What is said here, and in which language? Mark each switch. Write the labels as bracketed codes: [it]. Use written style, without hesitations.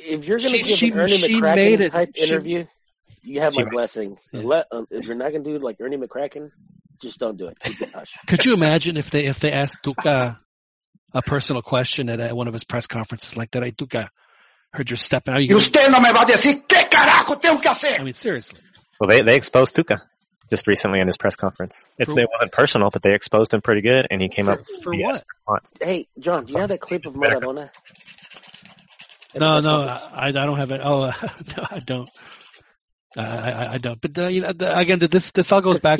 [en] If you're going to give Ernie McCracken type interview, you have my blessing. Yeah. If you're not going to do like Ernie McCracken, just don't do it. Could you imagine if they asked Tuca a personal question at one of his press conferences like that? I Tuca heard you're stepping out. [es] You usted no me va a decir qué carajo tengo que hacer. [en] I mean, seriously. Well, they exposed Tuca. just recently in his press conference. It wasn't personal, but they exposed him pretty good, and he came for what? Response. Hey, John, do you have that clip of Maradona? No, I don't have it. Oh, no, I don't. I don't. But again, this all goes back.